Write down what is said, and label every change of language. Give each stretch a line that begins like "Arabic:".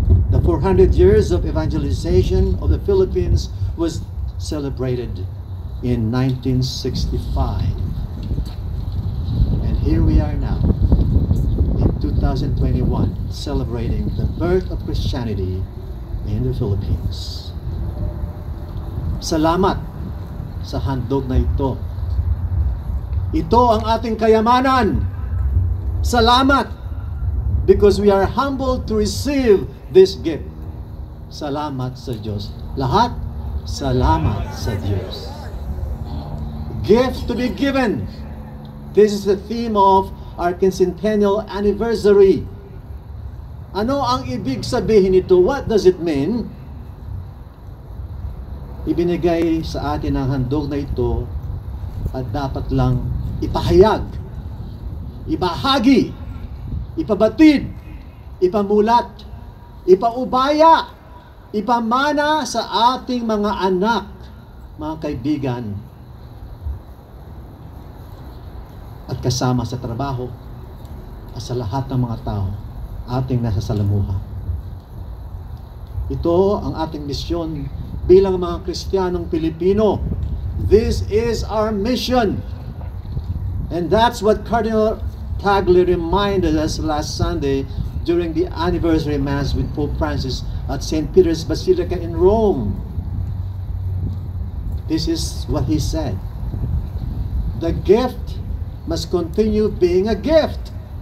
English: The 400 years of evangelization of the Philippines was celebrated in 1965. And here we are now, in 2021, celebrating the birth of Christianity in the Philippines.
Filipino: Salamat sa handog na ito. Ito ang ating kayamanan.
English: Salamat because we are humbled to receive this gift.
Filipino: Salamat sa Diyos. Lahat, salamat sa Diyos.
English: Gift to be given. This is the theme of our quincentennial anniversary.
Filipino: Ano ang ibig sabihin ito?
English: What does it mean?
Filipino: Ibinigay sa atin ang handog na ito at dapat lang ipahayag, ibahagi, ipabatid, ipamulat, ipaubaya, ipamana sa ating mga anak, mga kaibigan, at kasama sa trabaho at sa lahat ng mga tao ating nasa salamuha. Ito ang ating misyon bilang mga Kristiyanong Pilipino.
English: This is our mission. And that's what Cardinal Tagle reminded us last Sunday during the anniversary mass with Pope Francis at St. Peter's Basilica in Rome. This is what he said. The gift must continue being a gift.